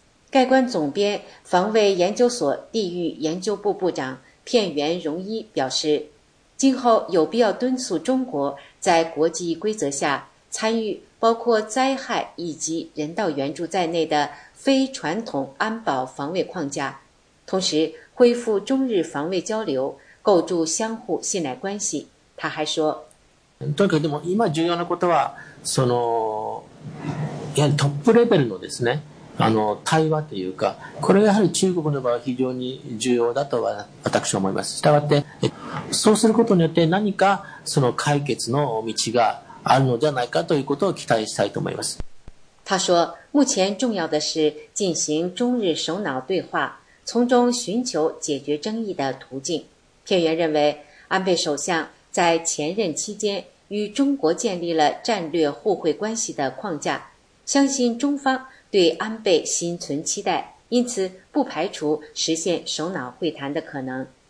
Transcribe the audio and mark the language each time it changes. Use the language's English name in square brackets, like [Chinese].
[Chinese] 概观总编、防卫研究所地域研究部部长片原荣一表示，今后有必要敦促中国在国际规则下参与包括灾害以及人道援助在内的非传统安保防卫框架，同时恢复中日防卫交流，构筑相互信赖关系。他还说， [Japanese] とにかくでも今重要なことは、そのやトップレベルのですね、あの対話というか、これがやはり中国の場合非常に重要だとは私は思います。したがって、そうすることによって何かその解決の道があるのではないかということを期待したいと思います。 [Chinese] 他说，目前重要的是进行中日首脑对话，从中寻求解决争议的途径。片原认为，安倍首相在前任期间与中国建立了战略互惠关系的框架，相信中方对安倍心存期待，因此不排除实现首脑会谈的可能。